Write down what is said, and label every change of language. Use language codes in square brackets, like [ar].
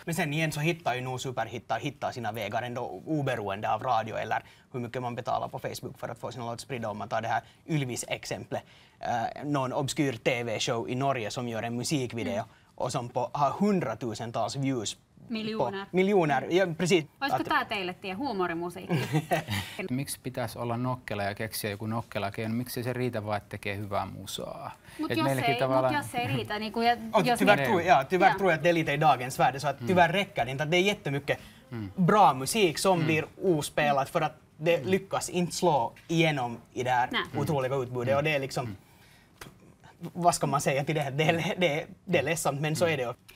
[sv] Men sen igen så hittar ju nu superhittar sina vägar ändå oberoende av radio eller hur mycket man betalar på Facebook för att få sina låt spridda. Om man tar det här Ylvis-exemplet, någon obskyr tv-show i Norge som gör en musikvideo och som har hundratusentals views. [fi] Miljoonaa. [sv] Ja precis. [fi] Olisiko tämä teille tie huumorimusiikki? Miksi pitäisi olla nokkela ja keksiä joku nokkela keino? Miksi se riitä vaan, että tekee hyvää musaa? [sv] Tyvärr tror jag att det är lite i dagens värld. Så att tyvärr räcker det inte. Det är jättemycket bra musik som blir ospelat för att det lyckas inte slå igenom i det här otroliga utbudet. Och det är liksom, vad ska man säga till det här? Det är ledsamt, men så är det ju.